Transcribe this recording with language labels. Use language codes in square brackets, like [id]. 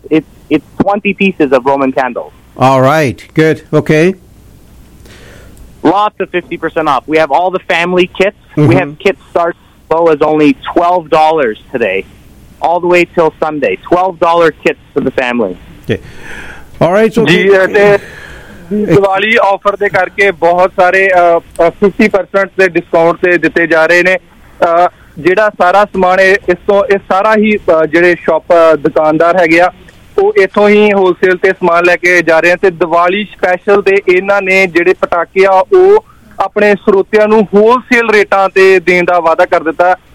[en] It's 20 pieces of Roman candles. All right. Good. Okay. Lots of 50% off. We have all the family kits. Mm-hmm. We have kits starts as low as only $12 today, all the way till Sunday. $12 kits for the family. Okay. All right. So. [pa] जी ऐसे Diwali offer दे करके बहुत सारे 50% से discount से दिते जा रहे ने. ਜਿਹੜਾ ਸਾਰਾ ਸਮਾਨ ਹੈ ਇਸ ਤੋਂ ਇਹ ਸਾਰਾ ਹੀ ਜਿਹੜੇ ਸ਼ਾਪ ਦੁਕਾਨਦਾਰ ਹੈਗੇ ਆ ਉਹ ਇੱਥੋਂ ਹੀ ਹੋਲਸੇਲ ਤੇ ਸਮਾਨ ਲੈ ਕੇ ਜਾ ਰਹੇ ਆ ਤੇ ਦੀਵਾਲੀ ਸਪੈਸ਼ਲ ਤੇ ਇਹਨਾਂ ਨੇ ਜਿਹੜੇ ਪਟਾਕੇ ਆ ਉਹ ਆਪਣੇ ਸਰੋਤਿਆਂ ਨੂੰ ਹੋਲਸੇਲ ਰੇਟਾਂ ਤੇ ਦੇਣ ਦਾ ਵਾਅਦਾ ਕਰ ਦਿੱਤਾ